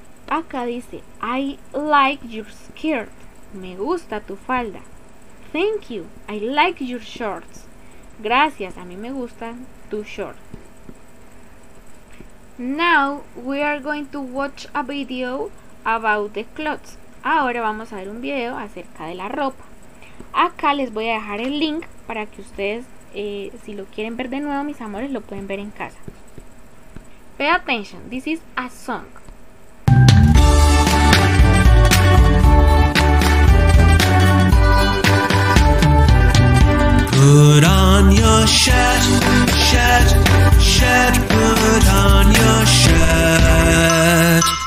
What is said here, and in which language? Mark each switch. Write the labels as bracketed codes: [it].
[es] Acá dice, [en] I like your skirt. [es] Me gusta tu falda. [en] Thank you. I like your shorts. [es] Gracias. A mí me gustan tus shorts. [en] Now we are going to watch a video about the clothes. [es] Ahora vamos a ver un video acerca de la ropa. Acá les voy a dejar el link para que ustedes, si lo quieren ver de nuevo, mis amores, lo pueden ver en casa. [en] Pay attention. This is a song. Put on your shirt, shirt, shirt, put on your shirt.